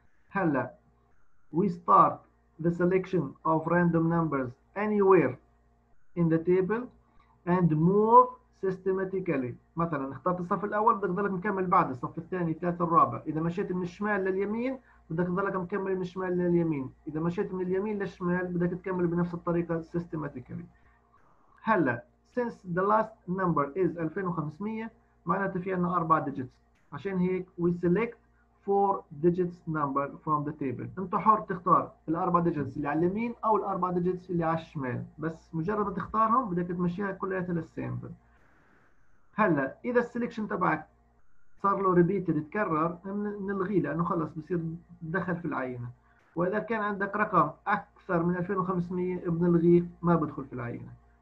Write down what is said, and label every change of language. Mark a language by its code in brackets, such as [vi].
[en] هلا we start the selection of random numbers anywhere in the table and move systematically. [ar] مثلا اخترت الصف الاول بدك تضلك مكمل بعد الصف الثاني الثالث الرابع، اذا مشيت من الشمال لليمين بدك تضلك مكمل من الشمال لليمين، اذا مشيت من اليمين للشمال بدك تكمل بنفس الطريقه سيستماتيكلي. [en] هلا since the last number is 2500 [ar] معناته في عندنا [en] 4 digits، [ar] عشان هيك [en] we select four digits number from the table. [ar] انت حر تختار الاربع digits اللي على اليمين او الاربع digits اللي على الشمال، بس مجرد تختارهم بدك تمشيها كلياتها للسامبل. هلا اذا السلكشن تبعك صار له ريبيتد تكرر نلغيه لانه خلص بصير دخل في العينه، واذا كان عندك رقم اكثر من 2500 بنلغيه ما بدخل في العينه.